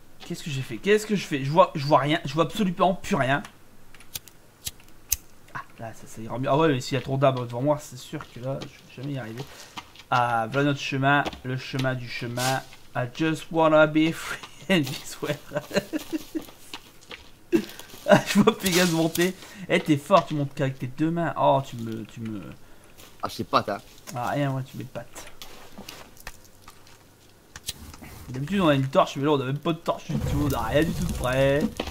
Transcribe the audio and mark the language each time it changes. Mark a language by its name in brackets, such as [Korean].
[French] qu'est-ce que j'ai fait? Qu'est-ce que je fais? Je vois rien, je vois absolument plus rien. Ah, là, ça ira mieux. Ah ouais, mais s'il y a trop d'arbres devant moi, c'est sûr que là, je vais jamais y arriver. Ah, voilà notre chemin, le chemin du chemin. [English] I just wanna be free in this world. [French] Ah, je vois Pégase monter. Eh, hey, t'es fort, tu montes qu'avec tes deux mains. Oh, tu me... Ah, c'est pas ça. Ah, rien, ouais, tu mets pattes. D'habitude on a une torche mais là on a même pas de torche du tout, on a rien du tout prêt.